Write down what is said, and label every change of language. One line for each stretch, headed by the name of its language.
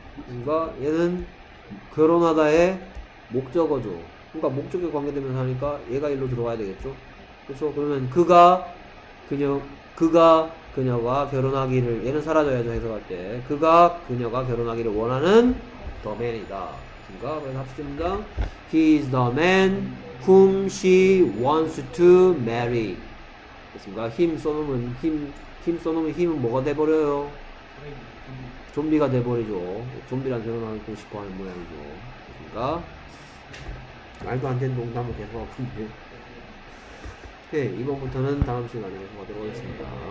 Korean: 그러니까 얘는 결혼하다의 목적어죠. 그러니까 목적에 관계되면서 하니까 얘가 일로 들어가야 되겠죠. 그렇죠. 그러면 그가 그녀와 결혼하기를 얘는 사라져야죠. 해석할 때 그가 그녀가 결혼하기를 원하는 the man이다. 그러니까 그래서 합치됩니다.
English: He is the man whom she wants to marry.
Korean: 됐습니까? 힘 써놓으면 힘은 뭐가 돼버려요? 좀비가 돼버리죠. 좀비랑 결혼하고 싶어 하는 모양이죠. 그러니까 말도 안 되는 농담을 계속 하고 있는데. 네, 이번부터는 다음 시간에 계속 하도록 하겠습니다.